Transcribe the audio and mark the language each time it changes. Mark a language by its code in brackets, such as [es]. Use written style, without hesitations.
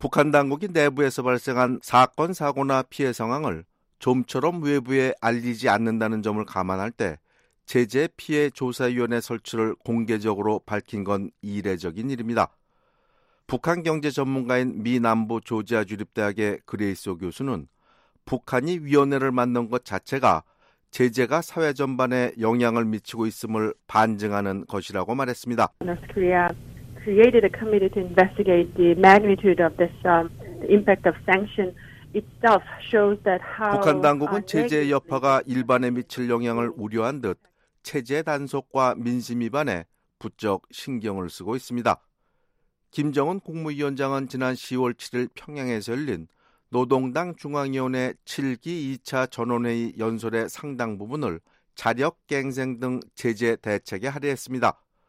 [ko] 북한 당국이 내부에서 발생한 사건, 사고나 피해 상황을 좀처럼 외부에 알리지 않는다는 점을 감안할 때 제재 피해 조사위원회 설치를 공개적으로 밝힌 건 이례적인 일입니다. 북한 경제 전문가인 미 남부 조지아 주립대학의 그레이소 교수는 북한이 위원회를 만든 것 자체가 제재가 사회 전반에 영향을 미치고 있음을 반증하는 것이라고 말했습니다. [en] North Korea created a committee to investigate the magnitude of this impact of sanction itself shows that how [ko] 북한 당국은 제재의 여파가 일반에 미칠 영향을 우려한 듯 체제 단속과 민심 위반에 부쩍 신경을 쓰고 있습니다. 김정은 국무위원장은 지난 10월 7일 평양에서 열린 노동당 중앙위원회 7기 2차 전원회의 연설의 상당 부분을 자력갱생 등 제재 대책에 할애했습니다.